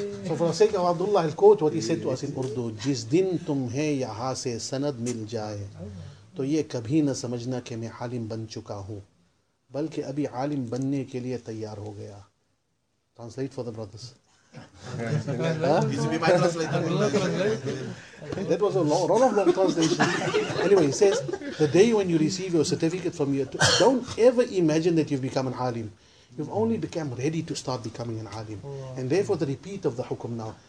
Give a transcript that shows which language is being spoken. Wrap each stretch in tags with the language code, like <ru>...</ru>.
<en>So for the sake of Abdullah, I'll quote what he said to us in Urdu.</en> <ur>Jis din tum hai yaha se sanad mil jaye. تو یہ کبھی نہ سمجھنا کہ میں عالم بن چکا ہوں بلکہ ابھی عالم بننے کے لیے تیار ہو گیا.</ur> <en>Translate for the brothers. That was a lot of long translation. Anyway, he says, the day when you receive your certificate from your don't ever imagine that you've become an عالم. You've only become ready to start becoming an عالم. And therefore the repeat of the hukum now.</en>